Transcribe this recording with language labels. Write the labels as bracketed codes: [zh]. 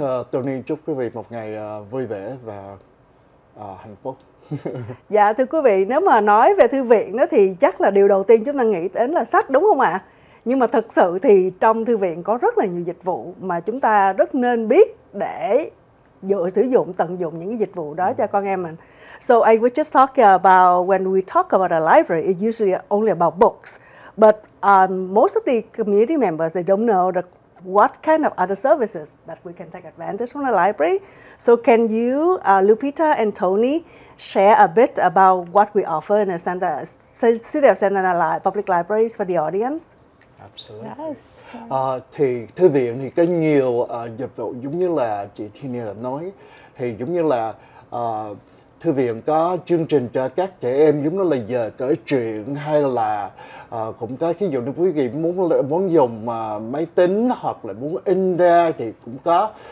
[vi] Tony chúc quý vị một ngày vui vẻ và hạnh phúc. Dạ thưa quý vị, nếu mà nói về thư viện đó thì chắc là điều đầu tiên chúng ta nghĩ đến là sách, đúng không ạ? Nhưng mà thực sự thì trong thư viện có rất là nhiều dịch vụ mà chúng ta rất nên biết để sử dụng, tận dụng những cái dịch vụ đó cho con em mình. [en] So I was just talking about when we talk about a library, it's usually only about books. But most of the community members, they don't know that what kind of other services that we can take advantage from the library. So can you, Lupita and Tony, share a bit about what we offer in the Santa, City of Santa Ana Public Libraries for the audience? Absolutely. Yes. [vi] Thì thư viện thì có nhiều dịch vụ giống như là chị Tina nói. Thì giống như là thư viện có chương trình cho các trẻ em giống như là giờ kể chuyện, hay là cũng có, ví dụ như quý vị muốn dùng máy tính hoặc là muốn in ra thì cũng có.